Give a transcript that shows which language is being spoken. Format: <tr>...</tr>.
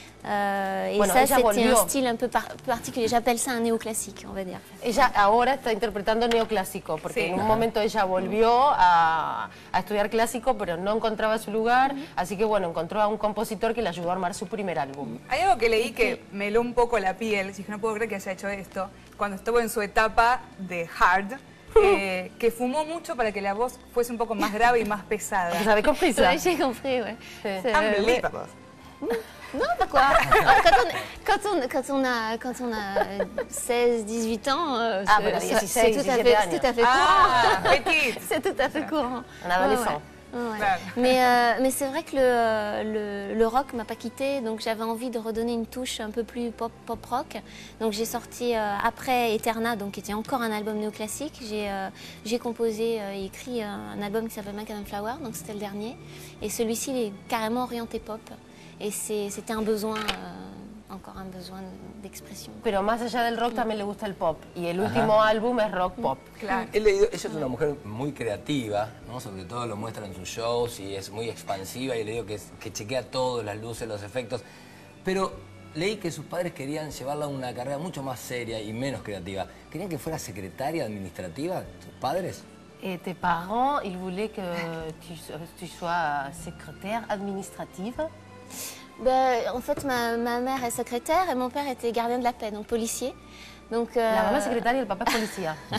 <fr>C'était un style un peu particulier. J'appelle ça un néoclassique, on va dire.</fr> <es>Ella ahora está interpretando neoclásico, porque en un momento ella volvió a estudiar clásico, pero no encontraba su lugar, así que bueno, encontró a un compositor que le ayudó a armar su primer álbum. Hay algo que leí que me heló un poco la piel, dije, no puedo creer que haya hecho esto, cuando estuvo en su etapa de hard, que fumó mucho para que la voz fuese un poco más grave y más pesada. ¿Sabes cómo fue eso? Sí, compré, güey.</es> <en>Unbelievable.</en> <fr>Non, pourquoi? Quand on a 16, 18 ans, c'est tout à fait courant. C'est tout à fait courant. En adolescent. Mais c'est vrai que le rock m'a pas quittée, donc j'avais envie de redonner une touche un peu plus pop rock. Donc j'ai sorti après Eterna, donc qui était encore un album néoclassique, j'ai composé et écrit un album qui s'appelle Macadam Flower, donc c'était le dernier. Et celui-ci il est carrément orienté pop. Et c'était un besoin. Encore un besoin d'expression.</fr> <es>Pero más allá del rock, también le gusta el pop. Y el último álbum es rock pop. Claro. He leído, ella es una mujer muy creativa, ¿no? Sobre todo lo muestra en sus shows y es muy expansiva. Y le digo que chequea todo, las luces, los efectos. Pero leí que sus padres querían llevarla a una carrera mucho más seria y menos creativa. ¿Querían que fuera secretaria administrativa, sus padres?</es> <fr>Tes parents, ils voulaient que tu sois secrétaire administrative. Ben, en fait, ma mère est secrétaire et mon père était gardien de la paix, donc policier. Donc, La maman secrétaire et le papa policier.</fr>